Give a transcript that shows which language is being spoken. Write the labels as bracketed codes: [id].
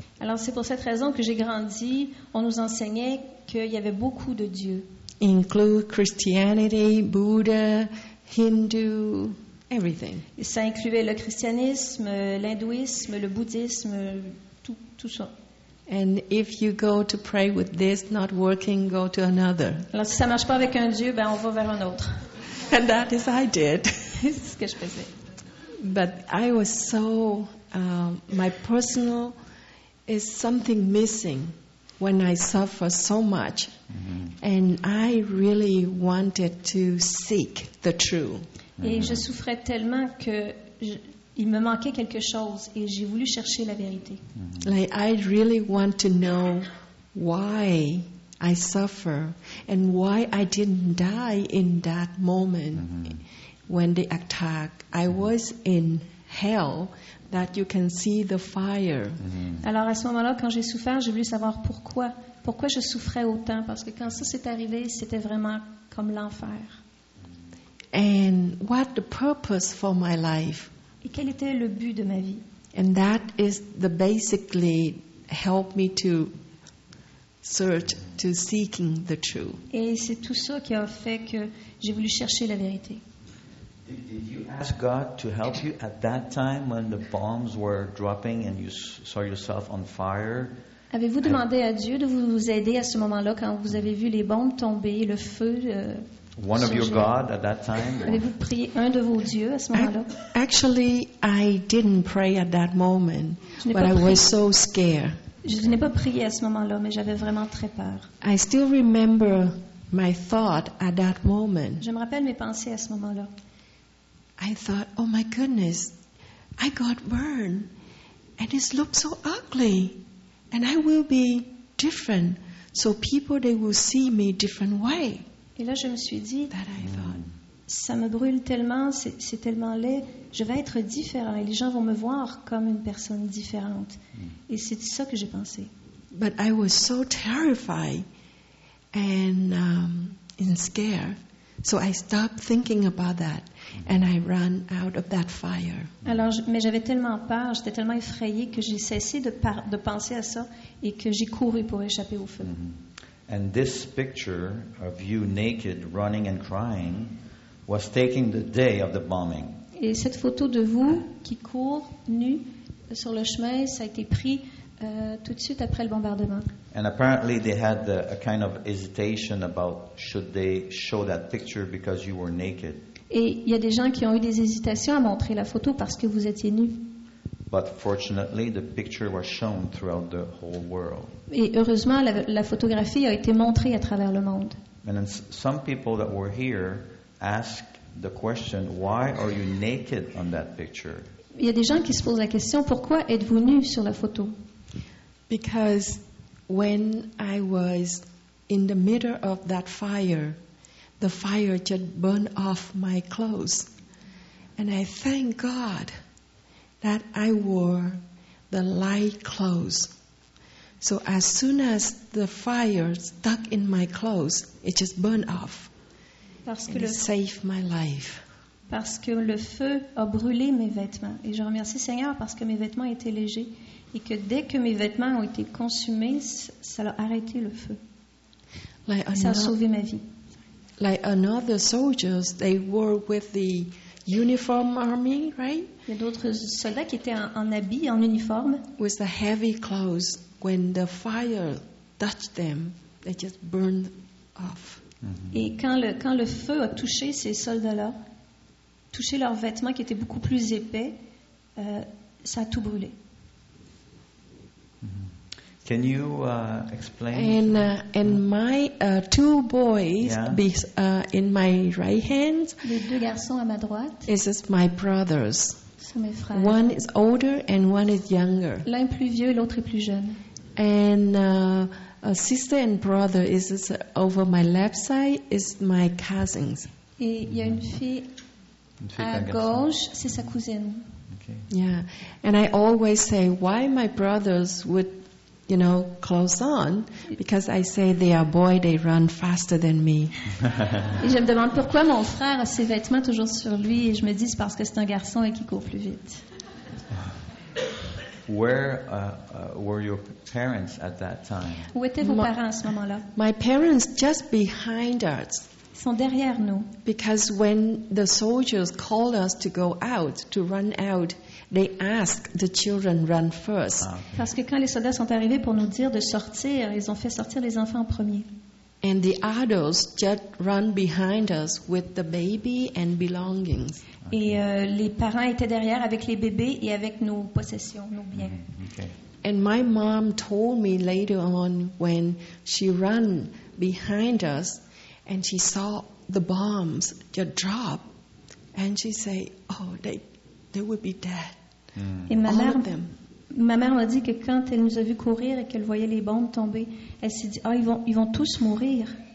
[fr] Alors c'est pour cette raison que j'ai grandi, on nous enseignait qu'il y avait beaucoup de dieux. [en] Include Christianity, Buddha, Hindu, Everything. [fr] Ça incluait le christianisme, l'hindouisme, le bouddhisme, tout ça. [en] And if you go to pray with this not working, go to another. [fr] Alors, si ça marche pas avec un dieu, ben on va vers un autre. [en] And that is I did. [fr] C'est ce que je faisais. [en] But I was so my personal is something missing when I suffer so much, and I really wanted to seek the truth. [fr] Et je souffrais tellement que il me manquait quelque chose et j'ai voulu chercher la vérité. [en] Like I really want to know why I suffer and why I didn't die in that moment when they attack. I was in hell that you can see the fire. [fr] Alors à ce moment-là, quand j'ai souffert, j'ai voulu savoir pourquoi. Pourquoi je souffrais autant? Parce que quand ça s'est arrivé, c'était vraiment comme l'enfer. [en] And what the purpose for my life? [fr] Et quel était le but de ma vie? [en] And that is the basically help me to search to seeking the truth. [fr] Et c'est tout ça qui a fait que j'ai voulu chercher la vérité. [en] Did you ask God to help you at that time when the bombs were dropping and you saw yourself on fire? [fr] Avez-vous demandé à Dieu de vous aider à ce moment-là quand vous avez vu les bombes tomber, le feu? [en] One of your God at that time. [fr] Avez-vous prié un de vos dieux à ce moment-là? [en] Actually, I didn't pray at that moment, but I was so scared. [fr] Je n'ai pas prié à ce moment-là, mais j'avais vraiment très peur. [en] I still remember my thought at that moment. [fr] Je me rappelle mes pensées à ce moment-là. [en] I thought, oh my goodness, I got burned, and it looked so ugly, and I will be different, so people they will see me different way. [fr] Et là, je me suis dit, ça me brûle tellement, c'est tellement laid, je vais être différent et les gens vont me voir comme une personne différente. Et c'est ça que j'ai pensé. [en] But I was so terrified and in scare, so I stopped thinking about that and I ran out of that fire. [fr] Alors, mais j'avais tellement peur, j'étais tellement effrayée que j'ai cessé de penser à ça et que j'ai couru pour échapper au feu. [en] And this picture of you naked, running and crying, was taken the day of the bombing. [fr] Et cette photo de vous qui court nu sur le chemin, ça a été pris tout de suite après le bombardement. [en] And apparently they had a kind of hesitation about should they show that picture because you were naked. [fr] Et il y a des gens qui ont eu des hésitations à montrer la photo parce que vous étiez nu. [en] But fortunately, the picture was shown throughout the whole world. [fr] Et heureusement, la photographie a été montrée à travers le monde. [en] And then some people that were here asked the question, why are you naked on that picture? [fr] Il y a des gens qui se posent la question, pourquoi êtes-vous nu sur la photo? [en] Because when I was in the middle of that fire, the fire just burned off my clothes. And I thank God that I wore the light clothes. So as soon as the fire stuck in my clothes, it just burned off. And it saved my life. [fr] Parce que le feu a brûlé mes vêtements. Et je remercie Seigneur parce que mes vêtements étaient légers. Et que dès que mes vêtements ont été consumés, ça a arrêté le feu. [en] Like [fr] ça a sauvé ma vie. [en] Like another soldiers, they were with the uniform army, right? [fr] Il y a d'autres soldats qui étaient en habit, en uniforme. [en] With the heavy clothes, when the fire touched them, they just burned off. [fr] Et quand le feu a touché ces soldats-là, touché leurs vêtements qui étaient beaucoup plus épais, ça a tout brûlé. [en] Can you explain? And my two boys in my right hand. [fr] Les deux garçons à ma droite. [en] Is just my brothers. [fr] Sont mes frères. [en] One is older and one is younger. [fr] L'un est plus vieux, l'autre est plus jeune. [en] And a sister and brother is just over my left side is my cousins. [fr] Et il y a une fille à gauche, c'est sa cousine. [en] Okay. Yeah, and I always say why my brothers would. You know, close on, because I say they are boy, they run faster than me. [fr] Et je me demande pourquoi mon frère a ses vêtements toujours sur lui, et je me dis c'est parce que c'est un garçon et qu'il court plus vite. [en] Where were your parents at that time? [fr] Où étaient vos parents à ce moment-là? [en] My parents just behind us. [fr] sont derrière nous. [en] Because when the soldiers called us to go out, to run out, they asked the children run first. [fr] Parce que quand les soldats sont arrivés pour nous dire de sortir, ils ont fait sortir les enfants en premier. [en] And the adults just run behind us with the baby and belongings. [fr] Et les parents étaient derrière avec les bébés et avec nos possessions, nos biens. [en] And my mom told me later on when she ran behind us and she saw the bombs just drop and she said, oh, they will be dead. [fr] Et ma mère m'a dit que quand elle nous a vu courir et qu'elle voyait les bombes tomber, elle s'est dit, oh, ils vont tous mourir.